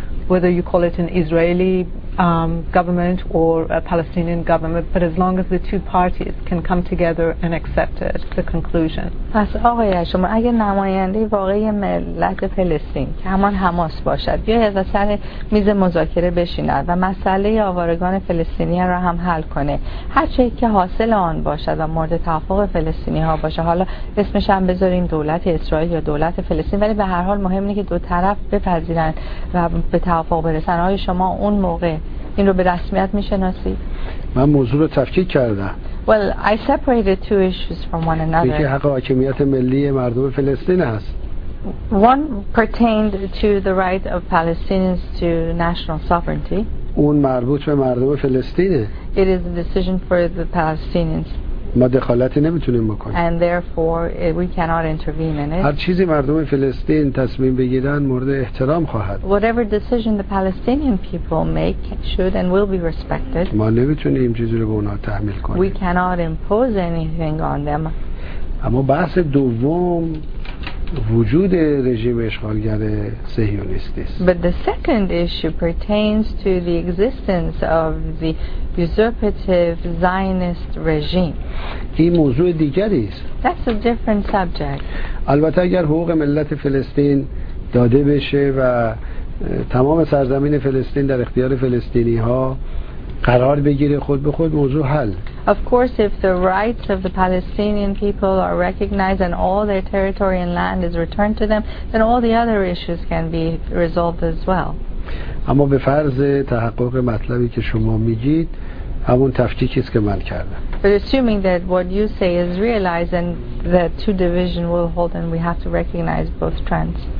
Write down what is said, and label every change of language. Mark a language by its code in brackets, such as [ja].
[en] whether you call it an Israeli government or a Palestinian government, but as long as the two parties can come together and accept it, the conclusion. [fa] پس آقای شما اگه نماینده واقعی ملت فلسطین که همان حماس باشد بیا از سر میز مذاکره بشیند و مسئله آوارگان فلسطینی را هم حل کنه، هر چه که حاصل آن باشد و مورد توافق فلسطینی ها باشه، حالا اسمش هم بذاریم دولت اسرائیل یا دولت فلسطین، ولی به هر حال مهم اینه که دو طرف بپذیرند و به توافق برسند. آقای شما اون موقع این رو به رسمیت میشناسی؟ من موضوع رو تفکیک کردم. [en] Well, I separated two issues from one another. [fa] یکی حق حاکمیت ملی مردم فلسطین هست. [en] One pertained to the right of Palestinians to national sovereignty. [fa] اون مربوط به مردم فلسطینه. [en] It is a decision for the Palestinians. [fa] ما دخالتی نمیتونیم بکنیم. [en] And therefore we cannot intervene in it. [fa] هر چیزی مردم فلسطین تصمیم بگیرن مورد احترام خواهد. [en] Whatever decision the Palestinian people make should and will be respected. [fa] ما نمیتونیم چیزی رو به اونا تحمیل کنیم. [en] We cannot impose anything on them. [fa] اما بحث دوم وجود رژیم اشغالگر صهیونیستی است. [en] But the second issue pertains to the existence of the usurpative Zionist regime. [fa] این موضوع دیگری است. [en] That's a different subject. [fa] البته اگر حقوق ملت فلسطین داده بشه و تمام سرزمین فلسطین در اختیار فلسطینی ها قرار بگیره، خود به خود موضوع حل. [en] Of course, if the rights of the Palestinian people are recognized and all their territory and land is returned to them, then all the other issues can be resolved as well. [fa] اما به فرض تحقق مطلبی که شما میگید، همون تفکیکی است که من کردم. [en] But assuming that what you say is realized and that two division will hold and we have to recognize both trends.